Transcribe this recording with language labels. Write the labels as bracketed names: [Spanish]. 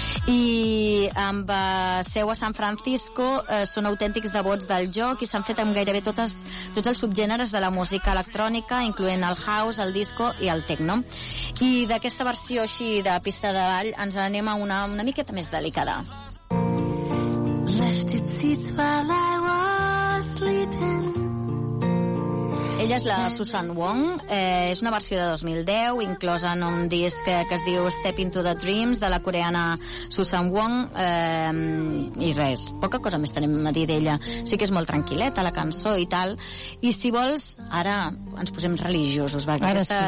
[Catalan] I amb seu a San Francisco són autèntics devots del joc i s'han fet amb gairebé tots els subgèneres de la música electrònica, incloent el house, el disco i el techno. I d'aquesta versió així de pista de ball ens anem a una miqueta més delicada. [English] Left its seats while I was sleeping. [Catalan] Ella és la Susan Wong, és una versió de 2010, inclosa en un disc que es diu Step into the Dreams, de la coreana Susan Wong, i res, poca cosa més tenim a dir d'ella. Sí que és molt tranquil·leta, la cançó i tal. I si vols, ara ens posem religiosos, va, aquesta